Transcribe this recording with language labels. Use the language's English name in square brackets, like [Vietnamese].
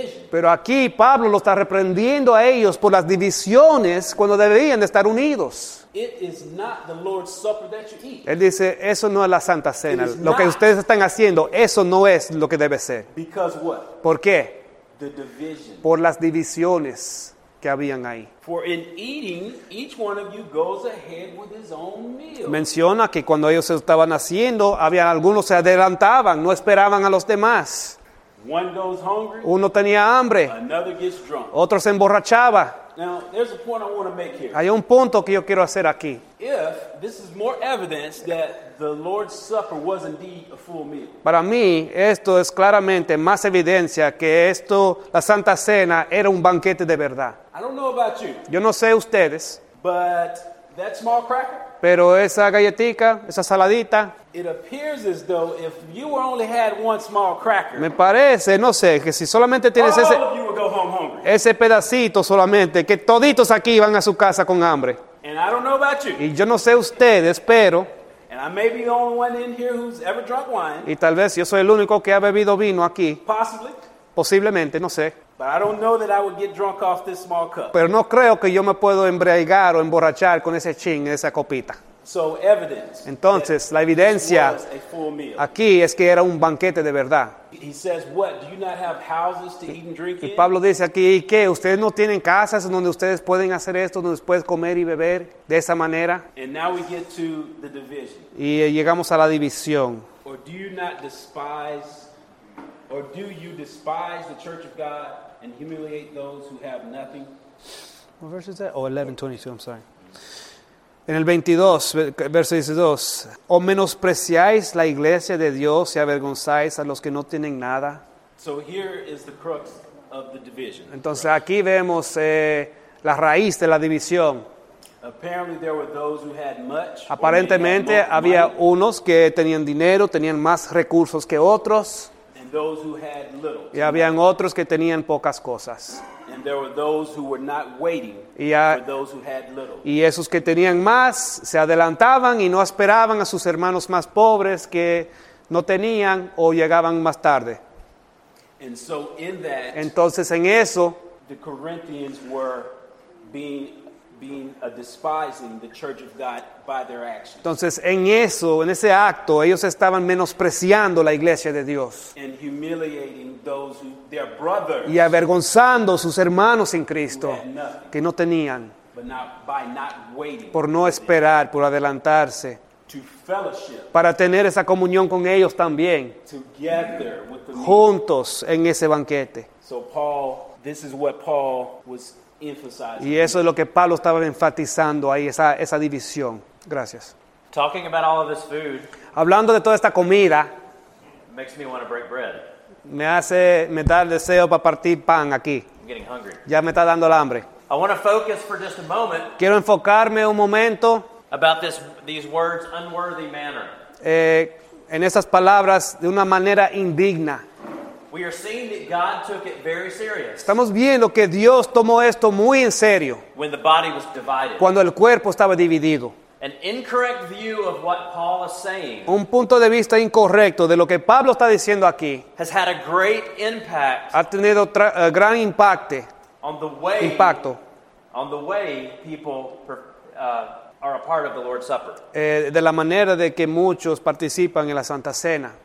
[Spanish] Pero aquí Pablo lo está reprendiendo a ellos por las divisiones cuando deberían de estar unidos. [English] It is not the Lord's Supper that you eat. [Spanish] Él dice, eso no es la Santa Cena. Lo que ustedes están haciendo, eso no es lo que debe ser. [English] Because what? [Spanish] ¿Por qué? [English] The division. [Spanish] Por las divisiones que habían ahí. [English] For in eating, each one of you goes ahead with his own meal. [Spanish] Menciona que cuando ellos estaban haciendo, había algunos se adelantaban, no esperaban a los demás. [English] One goes hungry, [Spanish] uno tenía hambre, [English] another gets drunk. [Spanish] Otro se emborrachaba. [English] Now, there's a point I want to make here. [Spanish] Hay un punto que yo quiero hacer aquí. [English] If this is more evidence that the Lord's Supper was indeed a full meal. [Spanish] Para mí, esto es claramente más evidencia que esto, la Santa Cena, era un banquete de verdad. [English] I don't know about you. [Spanish] Yo no sé ustedes. [English] But that small cracker. [Spanish] Pero esa galletita, esa saladita. [English] It appears as though if you only had one small cracker. [Spanish] Me parece, no sé, que si solamente tienes ese. [English] All of you would go home hungry. [Spanish] Ese pedacito solamente, que toditos aquí van a su casa con hambre. [English] And I don't know about you. [Spanish] Y yo no sé ustedes, pero. [English] And I may be the only one in here who's ever drunk wine. [Spanish] Y tal vez yo soy el único que ha bebido vino aquí. [English] Possibly. [Spanish] Posiblemente, no sé. [English] But I don't know that I would get drunk off this small cup. [Spanish] Pero no creo que yo me puedo embriagar o emborrachar con ese chin, esa copita. [English] So evidence. [Spanish] Entonces, la evidencia [English] was a full meal. [Spanish] Aquí es que era un banquete de verdad. [English] He says, what? Do you not have houses to eat and drink in? [Spanish] Y Pablo dice aquí, ¿y qué? ¿Ustedes no tienen casas donde ustedes pueden hacer esto, donde puedes comer y beber de esa manera? [English] And now we get to the division. [Spanish] Y llegamos a la división. [English] Or do you not despise Or do you despise the church of God and humiliate those who have nothing? What verse is that? Oh, 11:22, I'm sorry. [Spanish] En el 22, verso 22, ¿o menospreciáis la iglesia de Dios y avergonzáis a los que no tienen nada? [English] So here is the crux of the division. [Spanish] Entonces aquí vemos la raíz de la división. [English] Apparently there were those who had much. [Spanish] Aparentemente había unos que tenían dinero, tenían más recursos que otros. [English] Those who had little. [Spanish] Y habían otros que tenían pocas cosas. [English] And there were those who were not waiting for those who had little. [Spanish] Y esos que tenían más se adelantaban y no esperaban a sus hermanos más pobres que no tenían o llegaban más tarde. [English] And so in that, [Spanish] entonces en eso, [English] the Corinthians were being a despising the church of God by their actions. [Spanish] Entonces, en eso, en ese acto, ellos estaban menospreciando la iglesia de Dios. [English] And humiliating those who, their brothers. [Spanish] Y avergonzando sus hermanos en Cristo. [English] Who had nothing, [Spanish] que no tenían. [English] But not, by not waiting. [Spanish] Por no esperar, por adelantarse. [English] To fellowship. [Spanish] Para tener esa comunión con ellos también. [English] Together with the [Spanish] juntos en ese banquete. [English] So Paul, this is what Paul was [Spanish] y eso es lo que Pablo estaba enfatizando ahí, esa división. Gracias. [English] Talking about all of this food, [Spanish] hablando de toda esta comida, [English] makes me want to break bread. [Spanish] Me da el deseo para partir pan aquí. [English] I'm getting hungry. [Spanish] Ya me está dando el hambre. [English] I want to focus for just a moment. [Spanish] Quiero enfocarme un momento [English] about these words, unworthy manner. [Spanish] En esas palabras, de una manera indigna. [English] We are seeing that God took it very serious. [Spanish] Estamos viendo que Dios tomó esto muy en serio. [English] When the body was divided. [Spanish] Cuando el cuerpo estaba dividido. [English] An incorrect view of what Paul is saying. [Spanish] Un punto de vista incorrecto de lo que Pablo está diciendo aquí. [English] Has had a great impact. [Spanish] Ha tenido gran impacto. [English] On the way. [Spanish] Impacto. [English] On the way people are a part of the Lord's Supper. [Spanish] De la manera de que muchos participan en la Santa Cena.